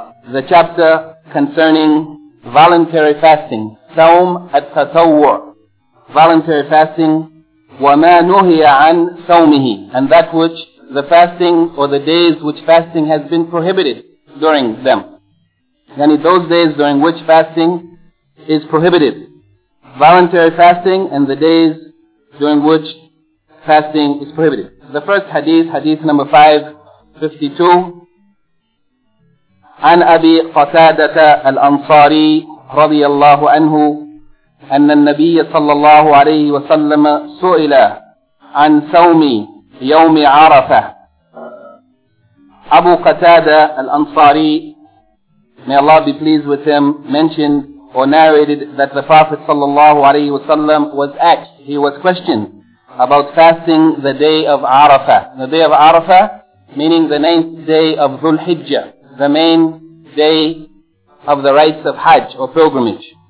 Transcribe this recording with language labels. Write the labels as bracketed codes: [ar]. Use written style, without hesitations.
[en] The chapter concerning voluntary fasting, Sawm At-Tatawwur, voluntary fasting, [ar] وَمَا نُهِيَ عَنْ سَوْمِهِ, [en] and that which the fasting or the days which fasting has been prohibited during them. Yani those days during which fasting is prohibited. Voluntary fasting and the days during which fasting is prohibited. The first hadith, hadith number 552. [ar] عن أبي قتادة الأنصاري رضي الله عنه أن النبي صلى الله عليه وسلم سئل عن صوم يوم عرفة. [en] أبو قتادة الأنصاري, may Allah be pleased with him, mentioned or narrated that the Prophet sallallahu alayhi wa sallam was asked, he was questioned about fasting the day of Arafah. The day of Arafah, meaning the ninth day of Dhul-Hijjah, the main day of the rites of Hajj or pilgrimage.